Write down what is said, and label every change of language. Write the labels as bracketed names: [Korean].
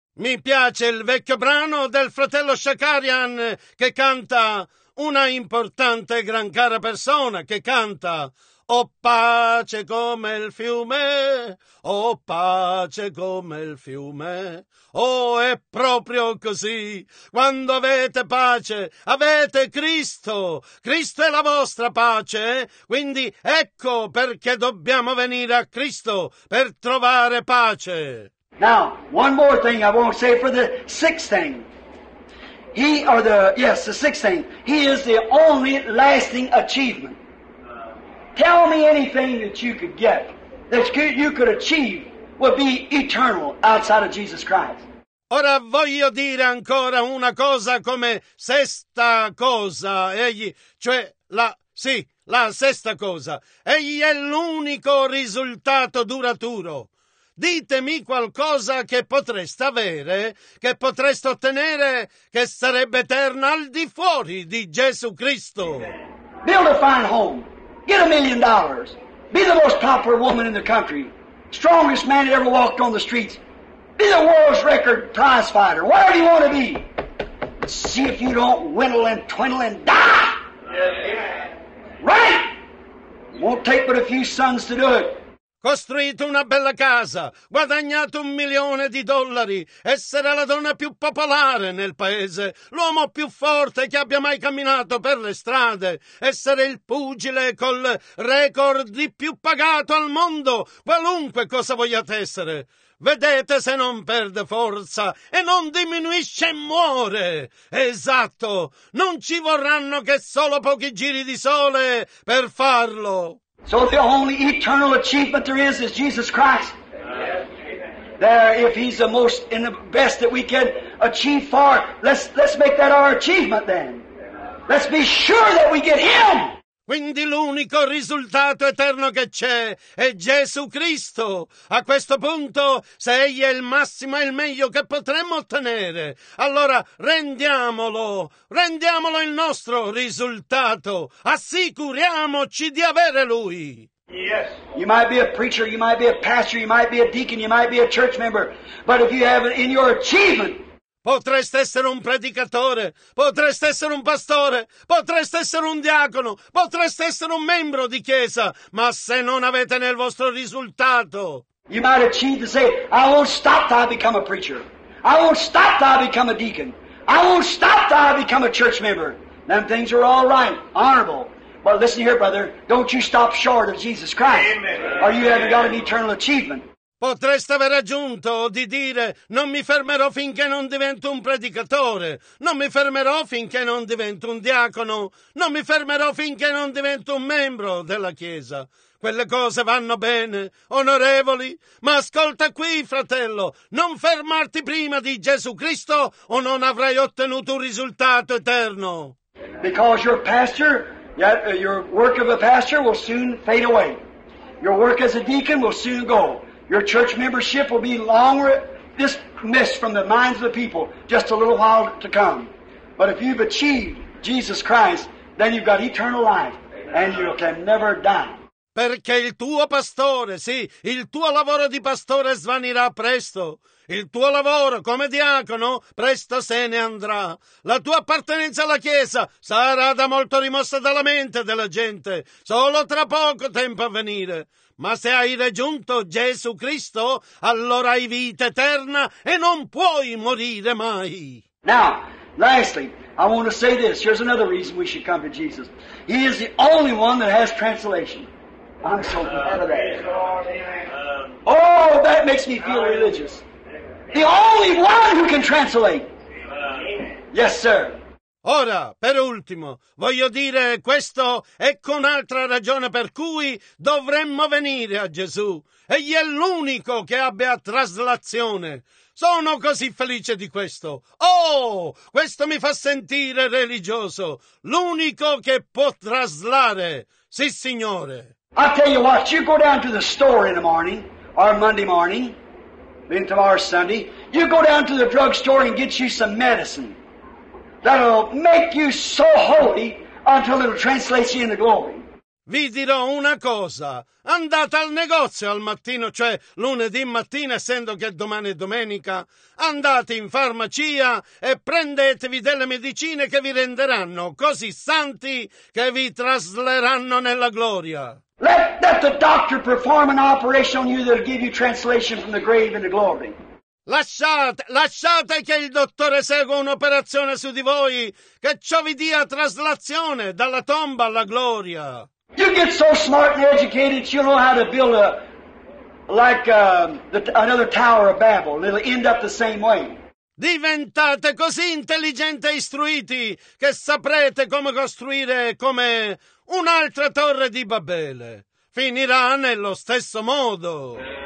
[Italian] Mi piace il vecchio brano del fratello Shakarian che canta, una importante e gran cara persona che canta, ho pace come il fiume, ho pace come il fiume. Oh, è proprio così. Quando avete pace, avete Cristo. Cristo è la vostra pace. Quindi ecco perché dobbiamo venire a Cristo per trovare pace. [English] Now, one more thing I want to say for the sixth thing. The sixth thing. He is the only lasting achievement. Tell me anything that you could get, that you could achieve, would be eternal outside of Jesus Christ. [Italian] Ora voglio dire ancora una cosa come sesta cosa, egli, cioè la, sì, la sesta cosa. Egli è l'unico risultato duraturo. Ditemi qualcosa che potreste avere, che potreste ottenere, che sarebbe eterna al di fuori di Gesù Cristo. [English] Build a fine home. Get $1 million. Be the most popular woman in the country. Strongest man that ever walked on the streets. Be the world's record prize fighter. Whatever you want to be. See if you don't windle and twindle and die. Yes. Right? Won't take but a few sons to do it. [Italian] Costruito una bella casa, guadagnato [English] $1 million, [Italian] essere la donna più popolare nel paese, l'uomo più forte che abbia mai camminato per le strade, essere il pugile col record di più pagato al mondo, qualunque cosa vogliate essere. Vedete se non perde forza e non diminuisce e muore. Esatto, non ci vorranno che solo pochi giri di sole per farlo. [English] So the only eternal achievement there is Jesus Christ. There, if He's the most and the best that we can achieve for, let's make that our achievement then. Let's be sure that we get Him. [Italian] Quindi l'unico risultato eterno che c'è è Gesù Cristo. A questo punto, se Egli è il massimo e il meglio che potremmo ottenere, allora rendiamolo il nostro risultato. Assicuriamoci di avere Lui. [English] Yes. You might be a preacher, you might be a pastor, you might be a deacon, you might be a church member, but if you have it in your achievement, [Italian] potreste essere un predicatore, potreste essere un pastore, potreste essere un diacono, potreste essere un membro di chiesa, ma se non avete nel vostro risultato, [English] you might achieve to say, I won't stop till I become a preacher, I won't stop till I become a deacon, I won't stop till I become a church member. Them things are all right, honorable. But listen here, brother, don't you stop short of Jesus Christ, amen, or you haven't got an eternal achievement. [Italian] Potreste aver aggiunto di dire, non mi fermerò finché non divento un predicatore, non mi fermerò finché non divento un diacono, non mi fermerò finché non divento un membro della Chiesa. Quelle cose vanno bene, onorevoli, ma ascolta qui, fratello, non fermarti prima di Gesù Cristo o non avrai ottenuto un risultato eterno. [English] Because your pastor, your work of a pastor will soon fade away. Your work as a deacon will soon go. Your church membership will be long dismissed from the minds of the people just a little while to come. But if you've achieved Jesus Christ, then you've got eternal life, and you can never die. [Italian] Perché il tuo pastore, sì, il tuo lavoro di pastore svanirà presto. Il tuo lavoro come diacono presto se ne andrà. La tua appartenenza alla Chiesa sarà da molto rimossa dalla mente della gente, solo tra poco tempo a venire. Ma se hai raggiunto Gesù Cristo, allora hai vita eterna e non puoi morire mai. [English] Now, lastly, I want to say this. Here's another reason we should come to Jesus. He is the only one that has translation. I'm so glad of that. Oh, that makes me feel religious. The only one who can translate. Yes, sir. [Italian] Ora, per ultimo, voglio dire questo, ecco un'altra ragione per cui dovremmo venire a Gesù. Egli è l'unico che abbia traslazione. Sono così felice di questo. Oh, questo mi fa sentire religioso. L'unico che può traslare. Sì, Signore. [English] I'll tell you what, you go down to the store in the morning, or Monday morning, then tomorrow's Sunday, you go down to the drugstore and get you some medicine. That'll make you so holy until it'll translate you into glory. [Italian] Vi dirò una cosa. Andate al negozio al mattino, cioè lunedì mattina, essendo che domani è domenica. Andate in farmacia e prendetevi delle medicine che vi renderanno così santi che vi trasleranno nella gloria. [English] Let the doctor perform an operation on you that'll give you translation from the grave into glory. [Italian] Lasciate che il dottore segua un'operazione su di voi, che ciò vi dia traslazione dalla tomba alla gloria. [English] You get so smart and educated you know how to build another Tower of Babel, and it'll end up the same way. [Italian] Diventate così intelligenti e istruiti che saprete come costruire come un'altra Torre di Babele. Finirà nello stesso modo.